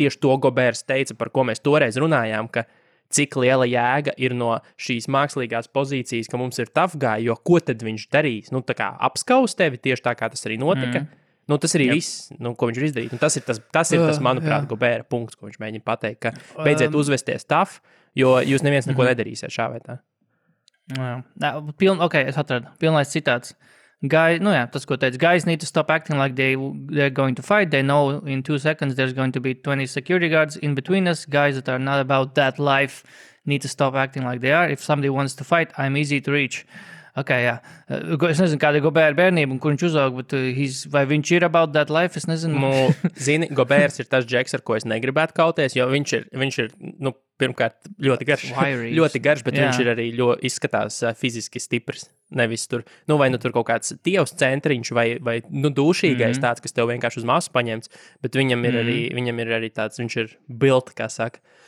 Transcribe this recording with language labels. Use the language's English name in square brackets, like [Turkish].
[Latvian] Tieši to Gobers teica, par ko mēs toreiz runājām, ka cik liela jēga ir no šīs mākslīgās pozīcijas, ka mums ir tough guy, jo ko tad viņš darīs? Nu, tā kā apskaus tevi tieši tā, kā tas arī notika. Mm. Nu, tas arī viss, nu, ko viņš ir izdarīt. Nu, tas ir tas manuprāt, Gobera punkts, ko viņš mēģina pateikt, ka beidziet uzvesties tough, jo jūs neviens neko nedarīsiet šā vietā. Jā. Okay, es atradu. Pilnais citāts. [English] Guy, [Latvian] nu jā, tas, ko teica, [English] guys need to stop acting like they're going to fight. They know in 2 seconds there's going to be 20 security guards in between us. Guys that are not about that life need to stop acting like they are. If somebody wants to fight, I'm easy to reach. [Latvian] Ok, jā. Es nezinu, kāda ir Gobert bērnība un kur viņš uzauga, bet vai viņš ir [English] about that life, [Latvian] es nezinu. Nu, zini, Gobert ir tas džeks, ar ko es negribētu kauties, jo viņš ir nu, pirmkārt, ļoti garš. Ļoti garš, bet viņš ir arī ļoti izskatās fiziski stiprs. Nevis tur, nu vai nu tur kaut kāds tievs centriņš vai nu dūšīgais tāds, kas tev vienkārši uz masu paņemts, bet viņam ir arī tāds, viņš ir built, kā saka.